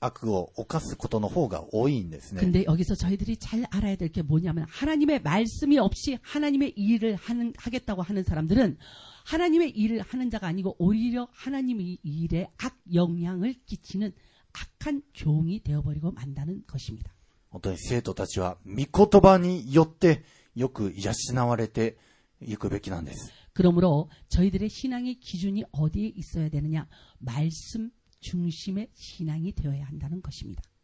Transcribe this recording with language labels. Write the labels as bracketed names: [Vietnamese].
[Japanese] 御言葉がない働き人は、ね、良い働きどころか、ね、むしろ害悪を犯すことの方が多いんですね。 [Korean] 근데 여기서 저희들이 잘 알아야 될 게 뭐냐면 하나님의 말씀이 없이 하나님의 일을 하겠다고 하는 사람들은 하나님의 일을 하는 자가 아니고 오히려 하나님의 일에 악 영향을 끼치는 악한 종이 되어버리고 만다는 것입니다. 어떤 [Japanese] 生徒たちは御言葉によってよく養われていくべきなんです。 [Korean] 그러므로 저희들의 신앙의 기준이 어디에 있어야 되느냐? 말씀 중심의 신앙이 되어야 한다는 것입니다.